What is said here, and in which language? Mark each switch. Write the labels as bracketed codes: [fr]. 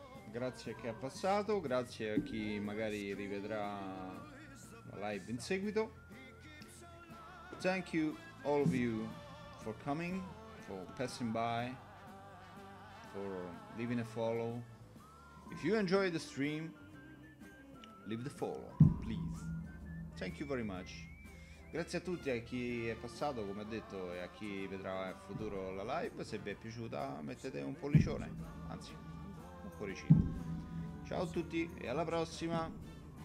[it] Grazie a chi è passato, grazie a chi magari rivedrà la live in seguito. [en] Thank you all of you for coming, for passing by, for leaving a follow. If you enjoy the stream, leave the follow, please. Thank you very much. [it] Grazie a tutti, a chi è passato, come ho detto, e a chi vedrà in futuro la live. Se vi è piaciuta, mettete un pollicione, anzi, un cuoricino. Ciao a tutti e alla prossima!